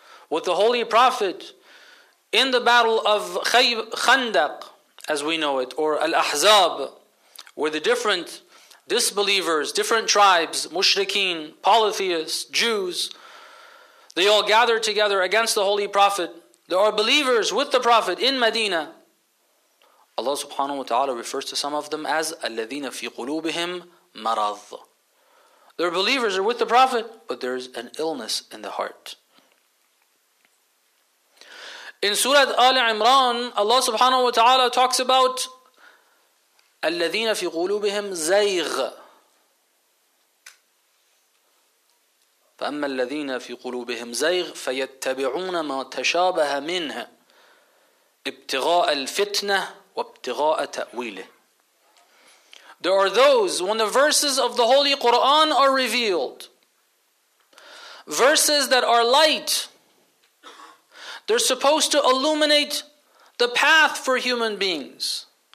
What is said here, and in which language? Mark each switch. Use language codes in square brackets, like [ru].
[en] With the Holy Prophet in the battle of Khandaq, as we know it, or Al-Ahzab, where the different disbelievers, different tribes, mushrikeen, polytheists, Jews, they all gather together against the Holy Prophet. There are believers with the Prophet in Medina. Allah subhanahu wa ta'ala refers to some of them as [ar] الَّذِينَ فِي قُلُوبِهِمْ مَرَضٌ. [en] They're believers, they're with the Prophet, but there's an illness in the heart. In Surah Ali Imran, Allah subhanahu wa ta'ala talks about [ar] الَّذِينَ فِي قُلُوبِهِمْ زَيْغٌ فَأَمَّا الَّذِينَ فِي قُلُوبِهِمْ زَيْغٌ فَيَتَّبِعُونَ مَا تَشَابَهَ مِنْهَ ابْتِغَاءَ الْفِتْنَةِ وابتغاء تأويله. [en] There are those, when the verses of the Holy Quran are revealed, verses that are light, they're supposed to illuminate the path for human beings.